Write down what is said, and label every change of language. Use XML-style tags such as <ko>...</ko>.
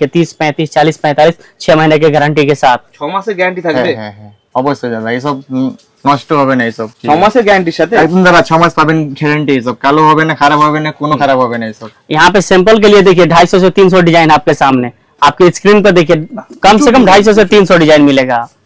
<hi>देखिए 30, 35, 40, 45 6 महीने के गारंटी के साथ,</hi> <bn>6 मासे गारंटी</bn> <hi>अवश्य ये सब</hi> <bn>নষ্ট হবে না, এইসব 6 মাসে গ্যারান্টির সাথে একদম, দাদা 6 মাস পাবেন গ্যারান্টি, এইসব কালো হবে না, খারাপ হবে না, কোনো খারাপ হবে না এইসব।</bn> <hi>यहां पे सैंपल के लिए देखिए 250 से 300 डिजाइन आपके सामने, आपके स्क्रीन पर देखिए कम से कम 250 से 300 डिजाइन मिलेगा।</hi>